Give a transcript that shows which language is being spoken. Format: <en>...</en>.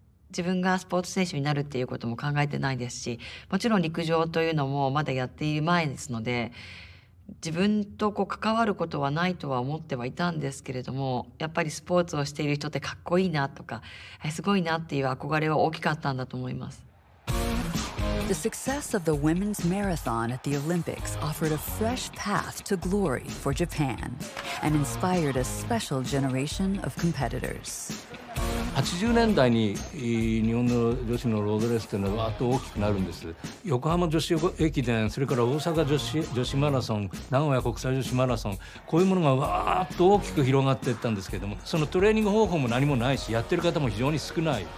<ja>自分がスポーツ選手になるっていうことも考えてないですし、もちろん陸上というのもまだやっている前ですので、自分とこう関わることはないとは思ってはいたんですけれども、やっぱりスポーツをしている人ってかっこいいなとか、すごいなっていう憧れは大きかったんだと思います。</ja> <en>The success of the women's marathon at the Olympics offered a fresh path to glory for Japan and inspired a special generation of competitors.</en> <ja>80年代に日本の女子のロードレースというのはわーっと大きくなるんです。横浜女子駅伝、それから大阪女子マラソン、名古屋国際女子マラソン、こういうものがわーっと大きく広がっていったんですけれども、そのトレーニング方法も何もないし、やってる方も非常に少ない。</ja>